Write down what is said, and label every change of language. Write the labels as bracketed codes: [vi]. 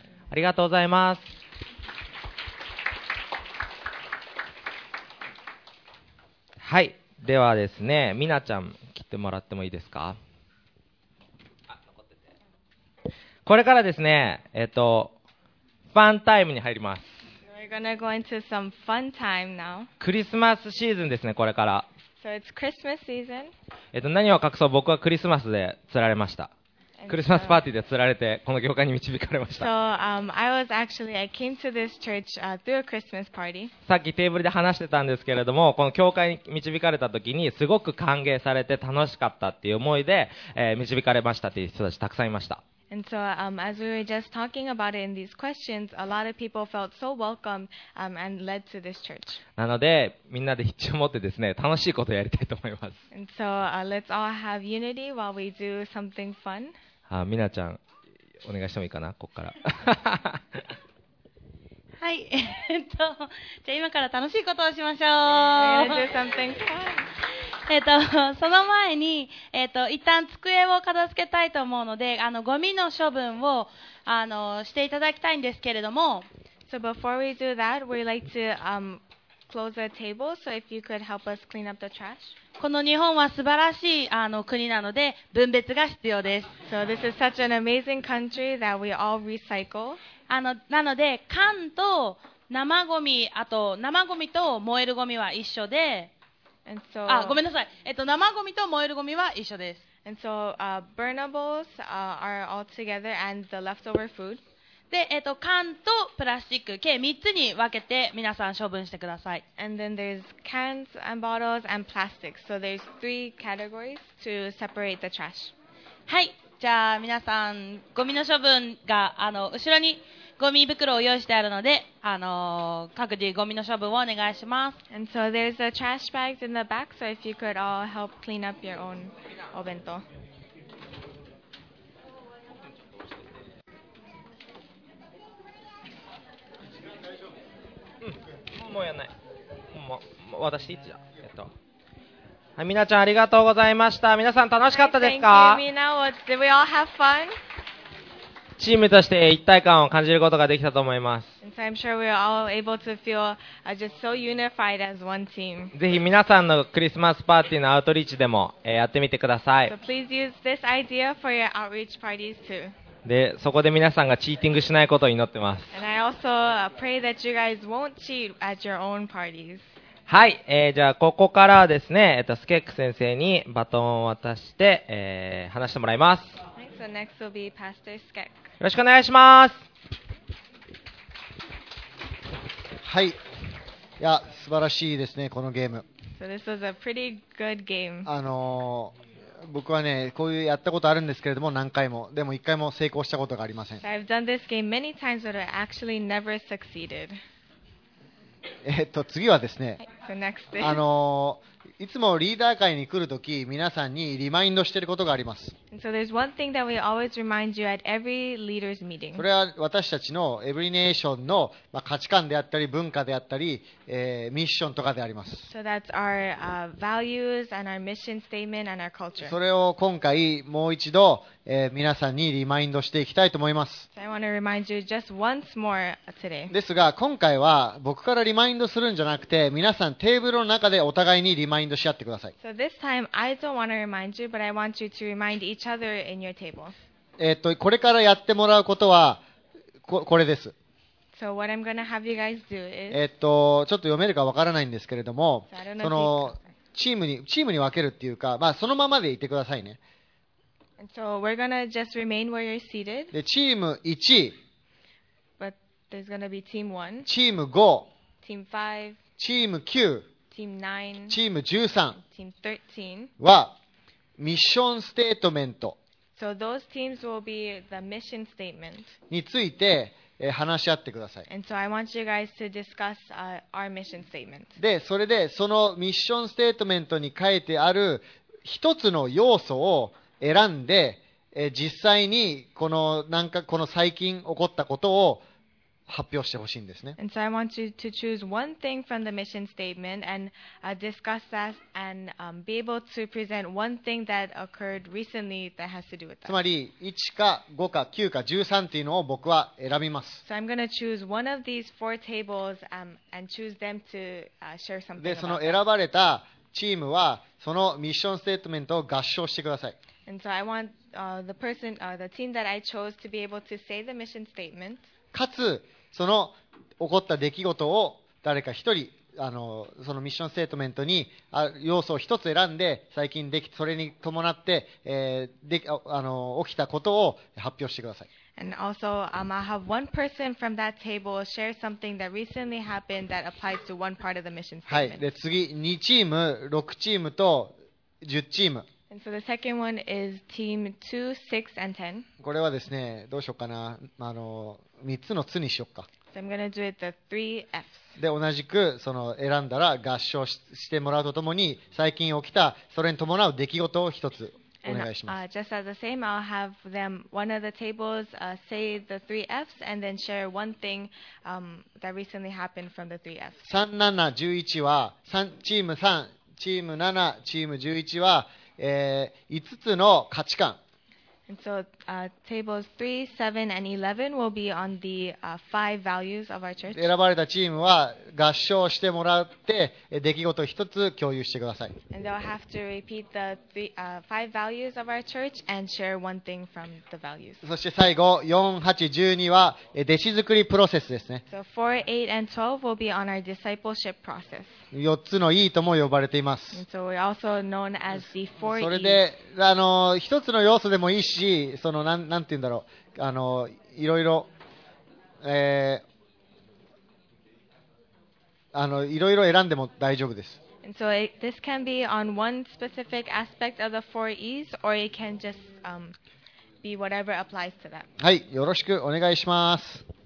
[ja] ありがとうございます。はい、ではですね、みなちゃん来てもらってもいいですか。あ、残ってて。これからですね、ファンタイムに入ります。 [en] We're gonna go into some fun time now. [ja] クリスマスシーズンですね、これから。 [en] So it's Christmas season. [ja] 何を隠そう、僕はクリスマスで釣られました。And、クリスマスパーティーで釣られてこの業界に導かれました。 [en] So, I was actually, I came to this church, through a Christmas party. [ja] さっきテーブルで話してたんですけれども、この教会に導かれた時にすごく歓迎されて楽しかったっていう思いで、導かれましたっていう人たちたくさんいました。 [en] And so, as we were just talking about it in these questions, a lot of people felt so welcome, and led to this church. [ja] なので、みんなで一致を持ってですね、楽しいことをやりたいと思います。 [en] And so, let's all have unity while we do something fun. [ja] あ、みなちゃん、お願いしてもいいかな、ここから。はい、じゃあ今から楽しいことをしましょう。 [en] Let's do something fun. [ja] その前に、一旦机を片付けたいと思うので、ゴミの処分をしていただきたいんですけれども。 [en] So before we do that, we'd like to, close the table. So if you could help us clean up the trash. [ja] この日本は素晴らしい国なので分別が必要です。 [en] So this is such an amazing country that we all recycle. [ja] なので缶と生ゴミ、あと生ゴミと燃えるゴミは一緒で、あ、ごめんなさい。生ゴミと燃えるゴミは一緒です。 [en] And so, burnables, are all together and the leftover food. [ja] で、缶とプラスチック、計3つに分けて皆さん処分してください。 [en] And then there's cans and bottles and plastics. So there's three categories to separate the trash. [ja] はい。じゃあ皆さん、ゴミの処分が、後ろにゴミ袋を用意してあるので、各自ゴミの処分をお願いします。 [en] And so there's a trash bags in the back, so if you could all help clean up your own お弁当。 [ja] うん、もうやんない。もう私いつだ。みなちゃんありがとうございました。皆さん楽しかったですか？ [en] Did we all have fun? [ja] チームとして一体感を感じることができたと思います。ぜひ皆さんのクリスマスパーティーのアウトリーチでも、やってみてください。 [en] So please use this idea for your outreach parties too. [ja] でそこで皆さんがチーティングしないことを祈ってます。 [en] And I also pray that you guys won't cheat at your own parties [ja] はい、じゃあここからですね、スケック先生にバトンを渡して、話してもらいます。 [en] So、next will be Pastor Skek. [ja] よろしくお願いします。はい、いや素晴らしいですねこのゲーム。 [en] So、this was a pretty good game. [ja] 僕はねこういうやったことあるんですけれども何回もでも一回も成功したことがありません。 [en] So、I've done this game many times, but I actually never succeeded. [ja] 次はですね、 [en] so next is... [ja] いつもリーダー会に来るとき皆さんにリマインドしていることがあります。 [en] So there's one thing that we always remind you at every leaders meeting. [ja] それは私たちのエブリネーションの、まあ、価値観であったり文化であったり、ミッションとかであります。 [en] So that's our, values and our mission statement and our culture. [ja] それを今回もう一度、皆さんにリマインドしていきたいと思います。 [en] So I want to remind you just once more today. [ja] ですが今回は僕からリマインドするんじゃなくて皆さんテーブルの中でお互いにリマインドし合ってください。 [en] So this time I don't want to remind you, but I want you to remind each other in your table. [ja] これからやってもらうことは これです。 [en] So what I'm gonna have you guys do is [ja] ちょっと読めるかわからないんですけれども、そのチームに分けるっていうか、まあそのままでいてくださいね。 [en] So we're gonna just remain where you're seated. [ja] でチーム [en] 1、But there's gonna be team 1、 [ja] チーム5、 [en] Team 5、 [ja] チーム9、 [en] Team 9、 [ja] チーム13、 [en] Team 13 [ja] は。ミッションステートメント。 [en] So those teams will be the mission statement. [ja] について、話し合ってください。 [en] And so I want you guys to discuss, our mission statement. [ja] で、それでそのミッションステートメントに書いてある一つの要素を選んで、実際にこのなんかこの最近起こったことを発表してほしいんですね。 [en] And so I want you to choose one thing from the mission statement and, discuss that and, be able to present one thing that occurred recently that has to do with that. [ja] つまり1か5か9か13っていうのを僕は選びます。 [en] So I'm going to choose one of these four tables, and choose them to, share something. [ja] で、その選ばれたチームはそのミッションステートメントを合唱してください。 [en] And so I want, the person, the team that I chose to be able to say the mission statement. [ja] かつその起こった出来事を誰か一人そのミッションステートメントに要素を一つ選んで最近できそれに伴って、で起きたことを発表してください。 [en] And also, I have one person from that table share something that recently happened that applies to one part of the mission statement. [ja] はい。で次2チーム6チームと10チーム。 [en] And so the second one is team 2, 6 and 10. [ja] これはですねどうしようかな3つのつにしよっか。 [en] So、I'm gonna do it the three Fs. [ja] で同じくその選んだら合唱 してもらうとともに最近起きたそれに伴う出来事を一つお願いします。 [en] And, just as the same, I'll have them one of the tables, say the three Fs and then share one thing, that recently happened from the three Fs. [ja] 3711は3チーム3チーム7チーム11は、5つの価値観。 [en] And so, tables 3, 7, and 11 will be on the five values of our church. [ja] 選ばれたチームは合唱してもらって出来事を一つ共有してください。 [en] And they'll have to repeat the five values of our church and share one thing from the values. [ja] そして最後4、8、12は弟子作りプロセスですね。 [en] So 4, 8, and 12 will be on our discipleship process. [ja] 4つの E とも呼ばれています。 [en] So we're also known as the 4 E's. [ja] それで一つの要素でもいいし、そのなんて言うんだろう、いろいろ、いろいろ選んでも大丈夫です。 [en] And so this can be on one specific aspect of the four E's, or it can just be whatever applies to that. [ja] はい、よろしくお願いします。